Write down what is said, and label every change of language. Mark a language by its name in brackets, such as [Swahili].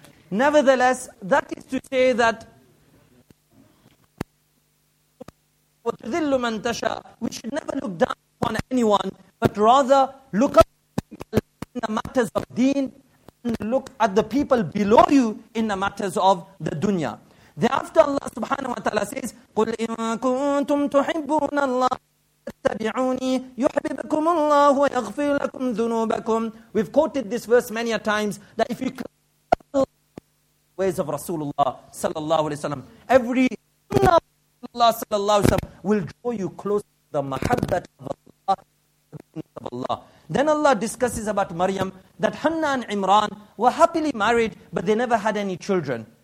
[English] Nevertheless, that is to say that [Arabic] وَتُذِلُّ مَنْ تَشَى. [English] We should never look down upon anyone, but rather look up in the matters of deen and look at the people below you in the matters of the dunya. Thereafter Allah subhanahu wa ta'ala says, [Arabic] قُلْ إِن كُنْتُمْ تُحِبُّونَ اللَّهَ اتَّبِعُونِي يُحْبِبَكُمُ اللَّهُ وَيَغْفِرُ لَكُمْ ذُنُوبَكُمْ. [English] We've quoted this verse many a times, that if you claim ways of Rasulullah sallallahu alayhi wa sallam, every sunnah Allah sallallahu alayhi wa sallam will draw you close to the mahabbat of Allah, the goodness of Allah. Then Allah discusses about Maryam, that Hannah and Imran were happily married, but they never had any children.